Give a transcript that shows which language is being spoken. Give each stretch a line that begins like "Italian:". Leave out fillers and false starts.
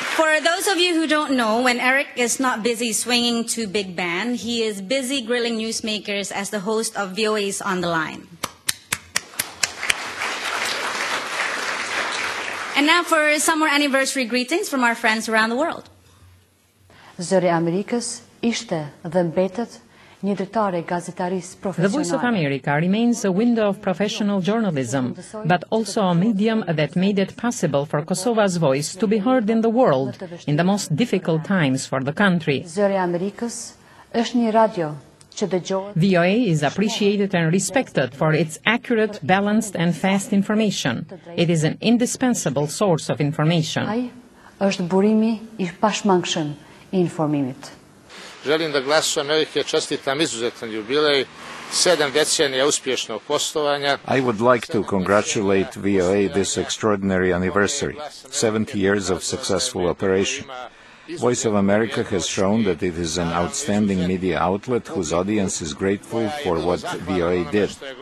English: For those of you who don't know, when Eric is not busy swinging to big band, he is busy grilling newsmakers as the host of VOA's On the Line. And now for some more anniversary greetings from our friends around the world.
Albanian: Zëri Amerikës ishte dhe mbetet një dritare gazetarisë profesionale.
English: The Voice of America remains a window of professional journalism, but also a medium that made it possible for Kosova's voice to be heard in the world in the most difficult times for the country.
Albanian: Zëri Amerikës është një radio.
English: VOA is appreciated and respected for its accurate, balanced and fast information. It is an indispensable source of information.
Albanian: Ai është burimi I pashmangshëm I informimit.
Bosnian: Želim da glasu Amerike čestitam izuzetan jubilej.
English: I would like to congratulate VOA this extraordinary anniversary, 70 years of successful operation. Voice of America has shown that it is an outstanding media outlet whose audience is grateful for what VOA did.